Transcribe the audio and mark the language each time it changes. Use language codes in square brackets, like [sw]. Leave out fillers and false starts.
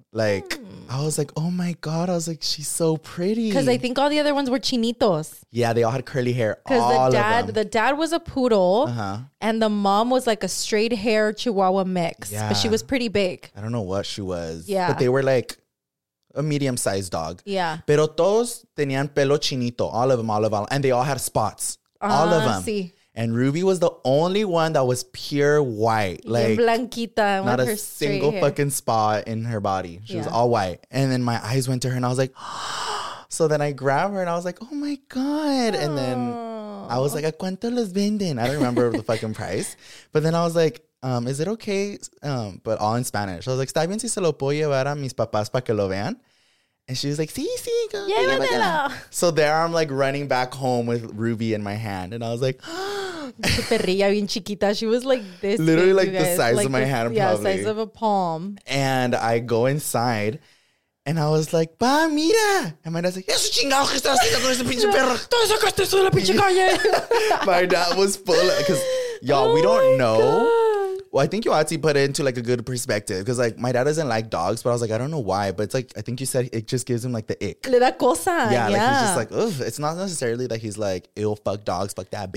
[en] Like, I was like, oh my God. I was like, she's so pretty. Because I think all the other ones were chinitos. Yeah, they all had curly hair. Because the dad was a poodle. Uh-huh. And the mom was like a straight hair chihuahua mix. Yeah. But she was pretty big. I don't know what she was. Yeah. But they were like a medium sized dog. Yeah. [es] Pero todos tenían pelo chinito. [en] All of them. And they all had spots. All of them. See. And Ruby was the only one that was pure white. Like, [es] blanquita, [en] not a single fucking spot in her body. She was all white. And then my eyes went to her and I was like, so then I grabbed her and I was like, oh my God. And then I was like, [es] ¿a cuánto los venden? [en] I don't remember the fucking price. But then I was like, is it okay? But all in Spanish. I was like, [es] ¿está bien si se lo puedo llevar a mis papás para que lo vean? [en] And she was like, [es] sí, sí, [en] go. [es] Llévatela. [en] So there I'm like running back home with Ruby in my hand. And I was like, [es] perrilla bien chiquita. [en] She was like this. Literally big, like the size of my hand. Yeah, probably. Size of a palm. And I go inside and I was like, [es] pa, mira. [en] And my dad's like, [es] eso chingado que estás haciendo con ese pinche perro. Todo eso que estás en la pinche calle. [en] My dad was full of, because y'all, we don't know. Well, I think you actually put it into like a good perspective because like my dad doesn't like dogs, but I was like, I don't know why, but it's like, I think you said it just gives him like the ick. [es] Le da cosa. Yeah. [en] Like he's just like, ugh. It's not necessarily that he's like, ew, fuck dogs, fuck that bitch.